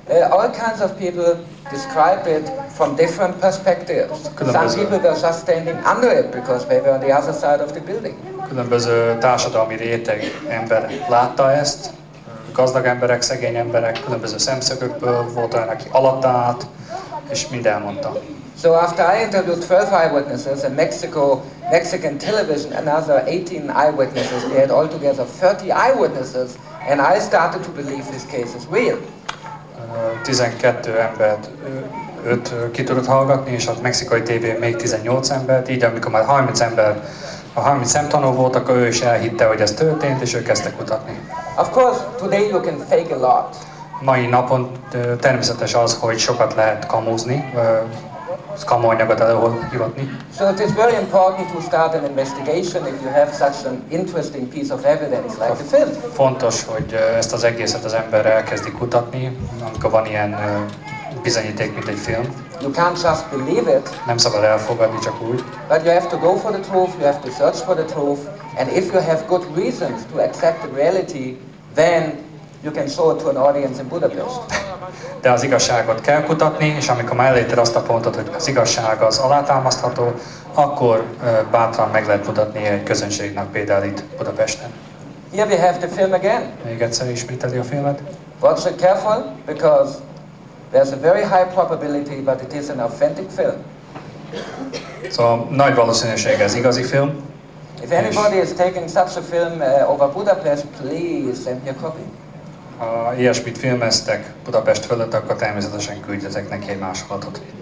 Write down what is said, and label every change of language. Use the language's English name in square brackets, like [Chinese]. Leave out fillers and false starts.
[English] All kinds of people describe it from different perspectives. Some people were just standing under it because they were on the other side of the building. [Hungarian] Különböző társadalmi réteg ember látta ezt. Gazdag emberek, szegény emberek, különböző szemszögökből volt olyan, aki alatta állt, és mind elmondta. [English] So after I interviewed 12 eyewitnesses in Mexico, Mexican television, another 18 eyewitnesses, we had altogether 30 eyewitnesses, and I started to believe this case is real. [Hungarian] 12 embert, 5 ki tudott hallgatni, és a mexikai tévén még 18 embert, így amikor már 30 ember, a 30 szemtanú volt, akkor ő is elhitte, hogy ez történt, és ő kezdte kutatni. [English] Of course, today you can fake a lot. [Hungarian] Mai napon természetes az, hogy sokat lehet kamúzni, kamu anyagot előhívatni. [English] So it is very important to start an investigation if you have such an interesting piece of evidence like the film. [Hungarian] Fontos, hogy ezt az egészet az ember elkezdi kutatni, amikor van ilyen bizonyíték, mint egy film. [English] You can't just believe it. [Hungarian] Nem szabad elfogadni csak úgy. [English] But you have to go for the truth, you have to search for the truth, and if you have good reasons to accept the reality, then you can show it to an audience in Budapest. [Hungarian] De az igazságot kell kutatni, és amikor már elérted azt a pontot, hogy az igazság az alátámasztható, akkor bátran meg lehet mutatni egy közönségnek például itt Budapesten. [English] Here we have the film again. [Hungarian] Még egyszer ismételi a filmet. [English] Watch it careful, because There's a very high probability, but it is an authentic film. [Hungarian] Szóval nagy valószínűség ez igazi film. [English] If anybody is taking such a film over Budapest, please send me a copy. [Hungarian] Ha ilyesmit filmeztek Budapest fölött, akkor természetesen küldjetek neki egy másolatot.